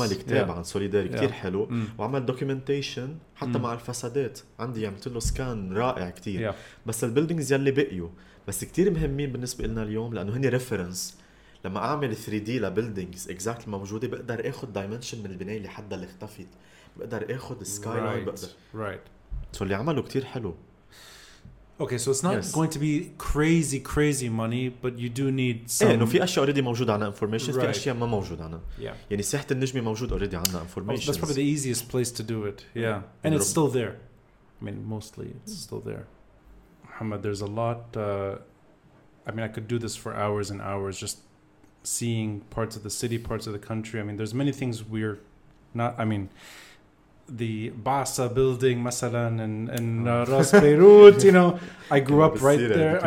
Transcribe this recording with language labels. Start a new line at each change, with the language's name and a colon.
Arabic: عمل كتاب عن سوليداري كتير حلو وعمل دوكيومنتيشن حتى مع الفسادات عندي عملت له سكان رائع كتير بس البيلدينجز يلي بقيوا بس كتير مهمين بالنسبة لنا اليوم لأنه هني ريفرنس لما أعمل 3D لبيلدينجز اكزاكت الموجودة بقدر أخد دايمنشن من البناية اللي حدا اللي اختفت بقدر أخد سكاي لاين بقدر
English: right.
Arabic: سو اللي عمله كتير حلو.
English: Okay, so it's not going to be crazy, crazy money, but you do need some.
Arabic: إيه, إنه في أشياء already موجودة عنا information. في أشياء ما موجودة عنا.
English: Yeah.
Arabic: يعني صحة النجمة موجود already عنا information.
English: That's probably the easiest place to do it. Yeah. And it's still there. I mean, mostly it's still there. Mohamad, there's a lot. I mean, I could do this for hours and hours, just seeing parts of the city, parts of the country. I mean, there's many things we're not. I mean. The Basa building, masalan, and Ras Beirut, you know, I grew up right there.